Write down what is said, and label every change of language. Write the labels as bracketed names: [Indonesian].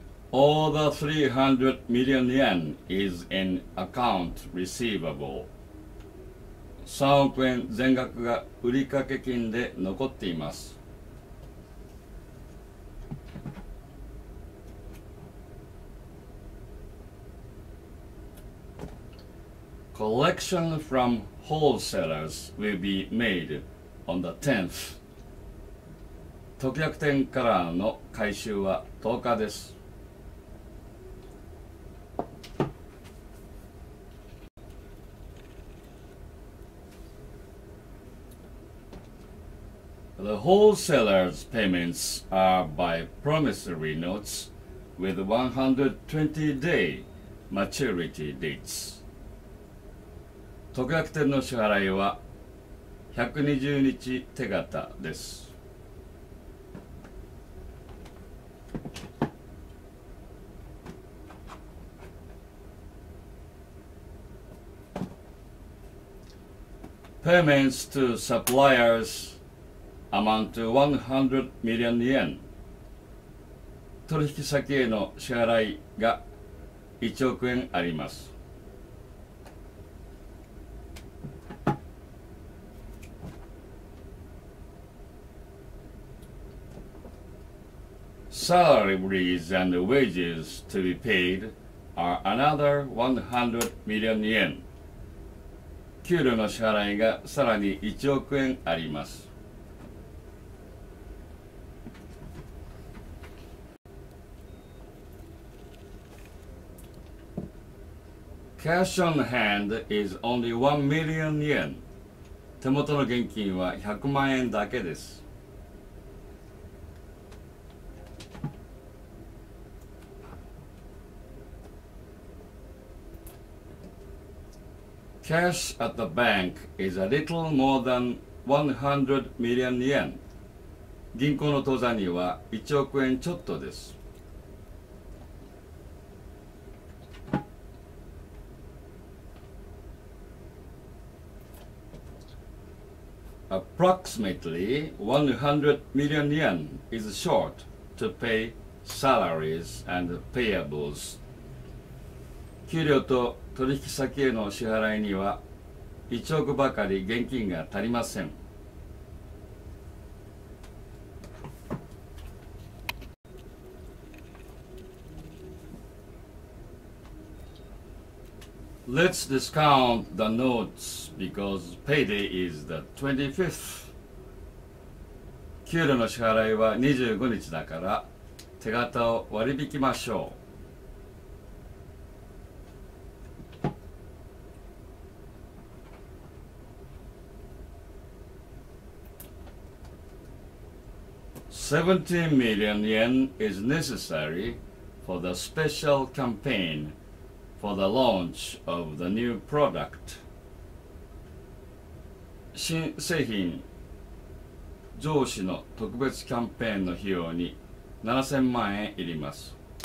[English] All the 300 million yen is in account receivable. [Japanese] 3億円全額が売掛金で残っています。 [English] Collection from wholesalers will be made on the 10th. [Japanese] 特約店からの回収は10日です。 [English] The wholesalers' payments are by promissory notes with 120-day maturity dates. [Japanese] 特約店の支払いは120日手形です。 [English] Payments to suppliers amount to 100 million yen. [Japanese] 取引先への支払いが1億円あります。 [English] Salaries and wages to be paid are another 100 million yen. [Japanese] 給料の支払いがさらに1億円あります。 [English] Cash on hand is only 1 million yen. [Japanese] 手元の現金は100万円だけです。 [English] Cash at the bank is a little more than 100 million yen. [Japanese] 銀行の当座には1億円ちょっとです。 [English] Approximately 100 million yen is short to pay salaries and payables. [Japanese] 給料と取引先への支払いには1億ばかり現金が足りません。 [English] Let's discount the notes because payday is the 25th. [Japanese] 給料の支払いは25日だから手形を割り引きましょう。 [English] 17 million yen is necessary for the special campaign for the launch of the new product. [Japanese] 新製品上市の特別キャンペーンの費用に7000万円いります。